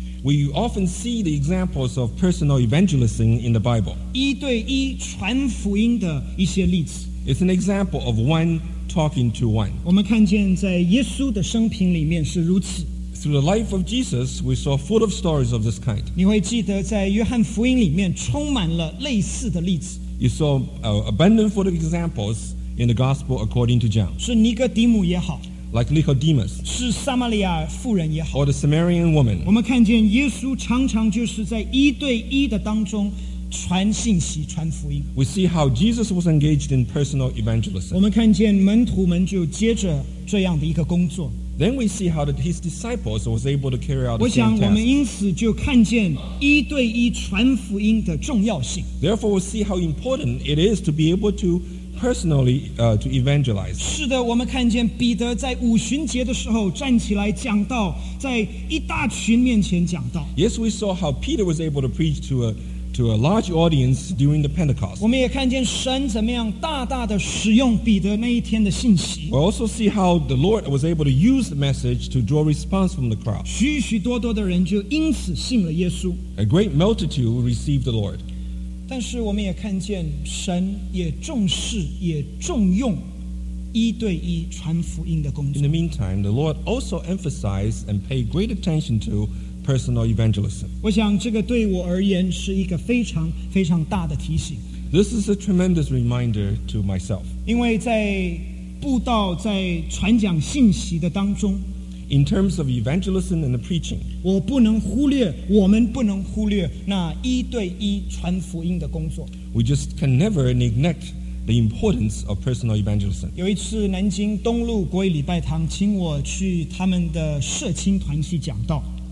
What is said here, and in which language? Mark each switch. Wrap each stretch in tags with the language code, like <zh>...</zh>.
<en>We often see the examples of personal evangelism in the Bible.</en> <zh>一对一传福音的一些例子。</zh> <en>It's an example of one talking to one.</en> <zh>我们看见在耶稣的生平里面是如此。</zh> <en>Through the life of Jesus, we saw full of stories of this kind.</en> <zh>你会记得在约翰福音里面充满了类似的例子。</zh> <en>You saw abundant full of examples in the gospel according to John.</en> <zh>是尼哥底母也好。</zh> <en>Like Nicodemus.</en> <zh>是撒玛利亚妇人也好。</zh> <en>Or the Samaritan woman.</en> <zh>我们看见耶稣常常就是在一对一的当中传信息传福音。</zh> <en>We see how Jesus was engaged in personal evangelism.</en> <zh>我们看见门徒们就接着这样的一个工作。</zh> <en>Then we see how his disciples was able to carry out the same task.</en> <zh>我想我们因此就看见一对一传福音的重要性。</zh> <en>Therefore, we see how important it is to be able to personally to evangelize.</en> <zh>是的，我们看见彼得在五旬节的时候站起来讲道，在一大群面前讲道。</zh> <en>Yes, we saw how Peter was able to preach to a large audience during the Pentecost.</en> <zh>我们也看见神怎么样大大的使用彼得那一天的信息。</zh> <en>We also see how the Lord was able to use the message to draw response from the crowd.</en> <zh>许许多多的人就因此信了耶稣。</zh> <en>A great multitude received the Lord.</en> <zh>但是我们也看见神也重视也重用一对一传福音的工作。</zh> <en>In the meantime, the Lord also emphasized and paid great attention to personal evangelism.</en> <zh>我想这个对我而言是一个非常非常大的提醒。</zh> <en>This is a tremendous reminder to myself.</en> <zh>因为在布道在传讲信息的当中</zh> <en>In terms of evangelism and the preaching,</en> <zh>我不能忽略我们不能忽略那一对一传福音的工作。</zh> <en>We just can never neglect the importance of personal evangelism.</en> <zh>有一次南京东路国语礼拜堂请我去他们的社青团去讲道。</zh>